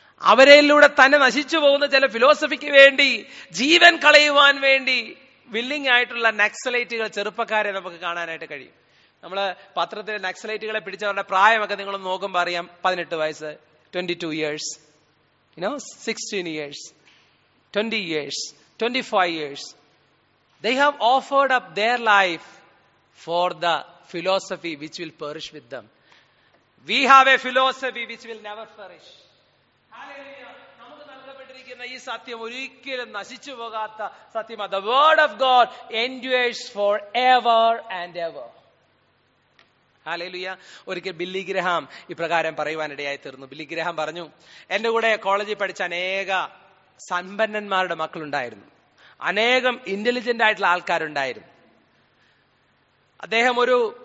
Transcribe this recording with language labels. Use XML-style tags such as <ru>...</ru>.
<ml>അവരെയിലൂടെ തന്നെ നശിച്ചു പോകുന്ന ചില ഫിലോസഫിക്ക് വേണ്ടി, ജീവൻ കളയുവാൻ വേണ്ടി വില്ലിംഗ് ആയിട്ടുള്ള നക്സലൈറ്റുകൾ, ചെറുപ്പക്കാരെ നമുക്ക് കാണാനായിട്ട് കഴിയും. നമ്മൾ പത്രത്തിലെ നക്സലൈറ്റുകളെ പിടിച്ചവരുടെ പ്രായമൊക്കെ നിങ്ങൾ നോക്കുമ്പോൾ അറിയാം, 18 വയസ്സ്,</ml> <en>22 years, you know, 16 years, 20 years, 25 years. They have offered up their life for the philosophy which will perish with them. We have a philosophy which will never perish. Hallelujah.</en> <ml>നമുക്ക് നൽകപ്പെട്ടിരിക്കുന്ന ഈ സത്യം ഒരിക്കലും നശിച്ചു പോകാത്ത സത്യമാണ്.</ml> <en>The word of God endures forever and ever. Hallelujah.</en> <ml>ഒരിക്കൽ Billy Graham ഇപ്രകാരം പറയുവാനിടയായി തീർന്നു. ബില്ലി ഗ്രഹാം പറഞ്ഞു, എൻ്റെ കൂടെ കോളേജിൽ പഠിച്ച അനേക സമ്പന്നന്മാരുടെ മക്കളുണ്ടായിരുന്നു, അനേകം ഇന്റലിജന്റ് ആയിട്ടുള്ള ആൾക്കാരുണ്ടായിരുന്നു. അദ്ദേഹം ഒരു</ml>